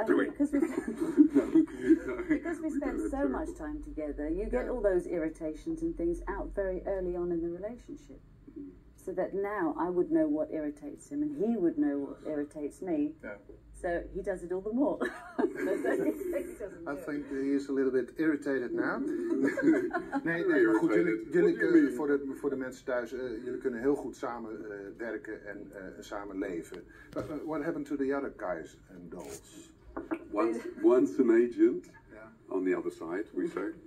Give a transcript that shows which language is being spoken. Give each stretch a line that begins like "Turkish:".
English: Because we spend so much time together, you get all those irritations and things out very early on in the relationship. So that now I would know what irritates him, and he would know what irritates me. Yeah. So he does it all the more. I think he is a little bit irritated now.
Dutch: Nee, goed, jullie kunnen voor de mensen thuis, jullie kunnen heel goed samen werken en samen leven.
English: But what happened to the other guys and dolls? One's an agent on the other side, we say.